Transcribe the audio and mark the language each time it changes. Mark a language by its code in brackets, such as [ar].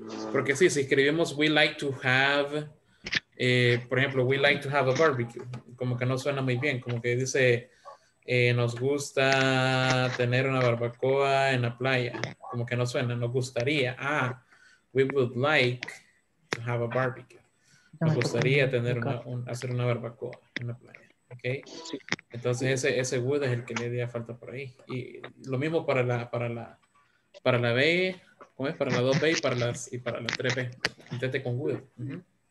[es] Porque sí, si escribimos [en] we like to have, [es] por ejemplo, [en] we like to have a barbecue, [es] como que no suena muy bien, como que dice... nos gusta tener una barbacoa en la playa. Como que no suena, nos gustaría. [en] Ah, we would like to have a barbecue. [es] Nos gustaría tener hacer una barbacoa en la playa. Okay. Entonces ese would es el que le haría falta por ahí. Y lo mismo para la B, ¿cómo es? Para la 2B y para la 3B. Intente con would. Uh-huh.